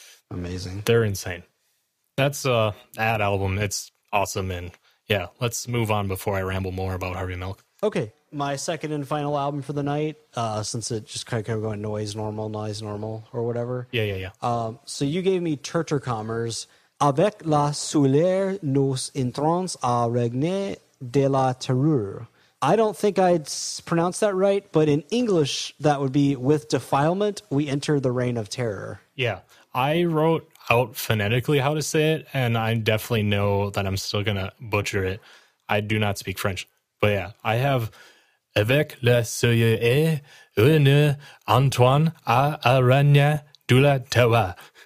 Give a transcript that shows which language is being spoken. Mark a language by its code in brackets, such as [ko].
[en] Amazing. They're insane. That's that album. It's awesome. And yeah, let's move on before I ramble more about Harvey Milk. Okay, my second and final album for the night, since it just kind of going noise normal or whatever. Yeah. So you gave me Tertercommers. [fr] Avec la soleil, nous entrons à regne de la terreur. [en] I don't think I'd pronounce that right, but in English, that would be with defilement, we enter the reign of terror. Yeah, I wrote out phonetically how to say it, and I definitely know that I'm still going to butcher it. I do not speak French, but yeah, I have avec la soleil, nous entrons à regne de la terreur.